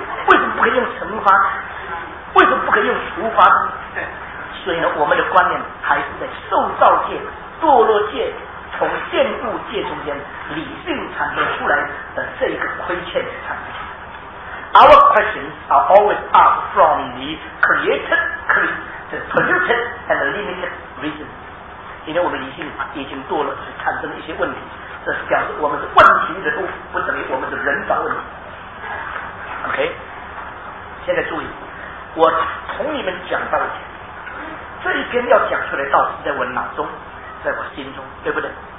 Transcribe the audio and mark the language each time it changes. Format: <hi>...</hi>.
<zh>为什么不可以用乘法？为什么不可以用除法呢？所以呢，我们的观念还是在受造界、堕落界、从见物界中间理性产生出来的这一个亏欠产生。</zh> <en>Our questions are always asked from the created, the polluted and the limited reason。</en> <zh>因为我们理性已经堕落，产生了一些问题，这是表示我们是问题的都不等于我们是人造问题。 OK， 现在注意，我同你们讲到一点。这一篇要讲出来道是在我脑中，在我心中，对不对？</zh>